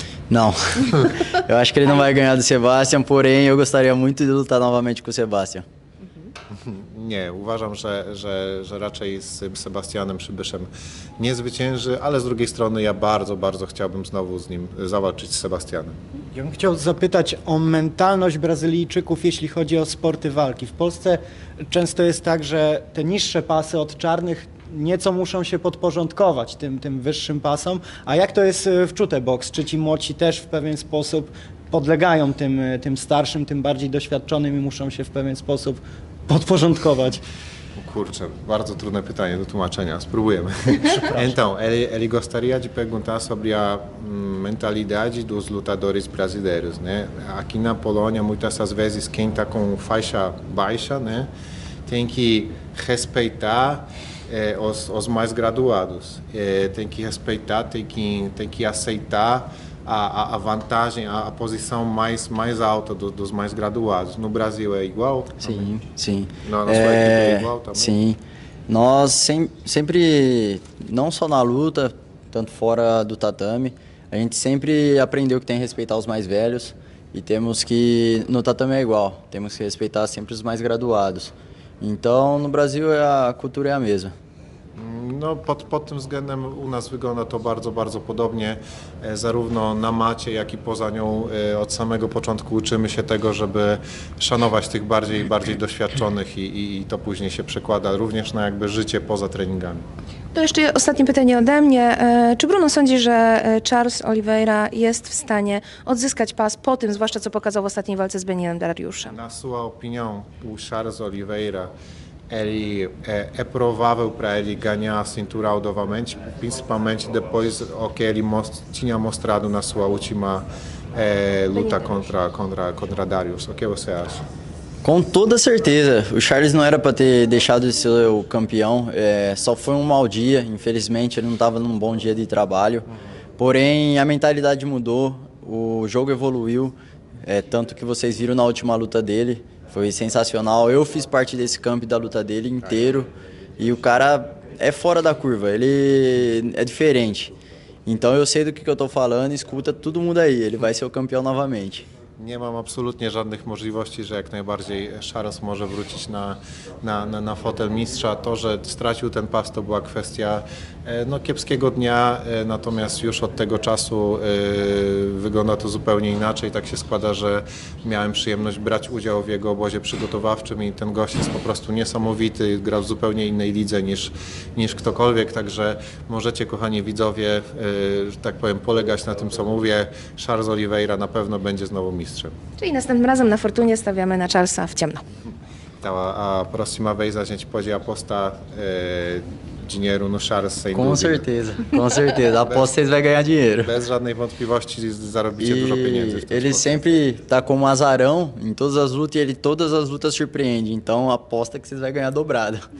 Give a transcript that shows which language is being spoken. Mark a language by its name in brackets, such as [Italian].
[Portuguese] Não, eu acho que ele não vai ganhar do Sebastian, porém eu gostaria muito de lutar novamente com o Sebastian. [Polish] Nie, uważam, że raczej z Sebastianem Przybyszem nie zwycięży, ale z drugiej strony ja bardzo, bardzo chciałbym znowu z nim zawalczyć z Sebastianem. Ja bym chciał zapytać o mentalność Brazylijczyków, jeśli chodzi o sporty walki. W Polsce często jest tak, że te niższe pasy od czarnych nieco muszą się podporządkować tym wyższym pasom. A jak to jest w Czute Box? Czy ci młodzi też w pewien sposób podlegają tym starszym, tym bardziej doświadczonym i muszą się w pewien sposób podporządkować? Kurczę, bardzo trudne pytanie do tłumaczenia. Spróbujemy. [Portuguese] Então, ele gostaria de perguntar sobre a mentalidade dos lutadores brasileiros, né? Aqui na Polônia, muitas das vezes, quem está com faixa baixa, né, tem que respeitar os mais graduados. Tem que respeitar, tem que aceitar a vantagem, a posição mais alta dos mais graduados. No Brasil é igual? Sim, também? Sim. Na sua equipe é igual também? Sim. Nós sempre, não só na luta, tanto fora do tatame, a gente sempre aprendeu que tem que respeitar os mais velhos e temos que, no tatame é igual, temos que respeitar sempre os mais graduados. Então, no Brasil, a cultura é a mesma. [Polish] No, pod tym względem u nas wygląda to bardzo, bardzo podobnie. Zarówno na macie, jak i poza nią od samego początku uczymy się tego, żeby szanować tych bardziej i bardziej doświadczonych i to później się przekłada również na jakby życie poza treningami. To jeszcze ostatnie pytanie ode mnie. Czy Bruno sądzi, że Charles Oliveira jest w stanie odzyskać pas po tym, zwłaszcza co pokazał w ostatniej walce z Benilem Dariuszem? [Portuguese] Na sua opinião, o Charles Oliveira ele é provável para ele ganhar a cintura novamente, principalmente depois do que ele tinha mostrado na sua última luta contra Darius. O que você acha? Com toda certeza. O Charles não era para ter deixado de ser o campeão. Só foi um mau dia. Infelizmente, ele não estava num bom dia de trabalho. Porém, a mentalidade mudou. O jogo evoluiu. Tanto que vocês viram na última luta dele. Foi sensacional. Eu fiz parte desse campo da luta dele inteiro. E o cara é fora da curva. Ele é diferente. Então eu sei do que eu tô falando. Escuta todo mundo aí. Ele vai ser o campeão novamente. [Polish] Nie mam absolutnie żadnych możliwości, że jak najbardziej Charles może wrócić na fotel mistrza. To, że stracił ten pas, to była kwestia kiepskiego dnia, natomiast już od tego czasu wygląda to zupełnie inaczej. Tak się składa, że miałem przyjemność brać udział w jego obozie przygotowawczym i ten gość jest po prostu niesamowity, gra w zupełnie innej lidze niż ktokolwiek. Także możecie, kochani widzowie, że tak powiem, polegać na tym, co mówię. Charles Oliveira na pewno będzie znowu mistrzem. Czyli następnym razem na Fortunie stawiamy na Charlesa w ciemno. [Portuguese] Então, a próxima vez a gente pode apostar dinheiro no Charles, sem dúvida. Com certeza, aposto que vocês vão ganhar dinheiro. [Polish] Bez żadnej wątpliwości zarobicie dużo pieniędzy. [Portuguese] Ele sempre está com um azarão em todas as lutas e ele todas as lutas surpreende, então aposta que vocês vão ganhar dobrado.